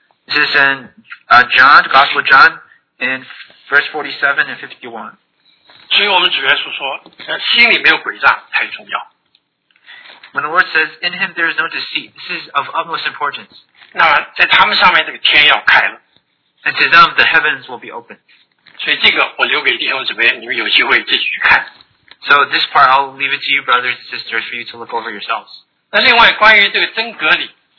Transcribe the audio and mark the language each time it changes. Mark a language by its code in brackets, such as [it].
[en] This is in John, Gospel of John, in verse 47 and 51. [zh] 所以我们主耶稣说，心里没有诡诈才重要。 [en] When the Lord says, in him there is no deceit, this is of utmost importance. [zh] 那在他们上面这个天要开了。 [en] And to them the heavens will be opened. [zh] 所以这个我留给弟兄姊妹，你们有机会自己去看。 [en] So this part I'll leave it to you, brothers and sisters, for you to look over yourselves. [zh] 那另外关于这个真隔离。